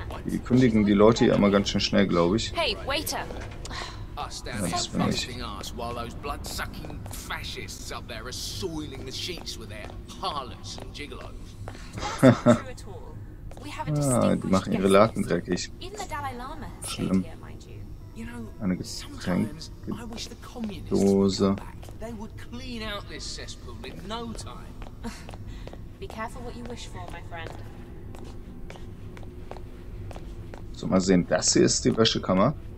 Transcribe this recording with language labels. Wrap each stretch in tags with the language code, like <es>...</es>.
<de>Die kündigen die Leute hier immer ganz schön schnell, glaube ich.</de> <en>Hey, Waiter!</en> <de>Das bin ich.</de> <en>While those blood-sucking fascists up there are soiling the sheets with their harlots and gigolos.</en> <de>Ah, die machen ihre Laken dreckig. Schlimm. Eine Getränkdose.</de> <en>They would clean out this cesspool in no time. Be careful what you wish for, my friend.</en> <de>So, mal sehen, das hier ist die Wäschekammer.</de>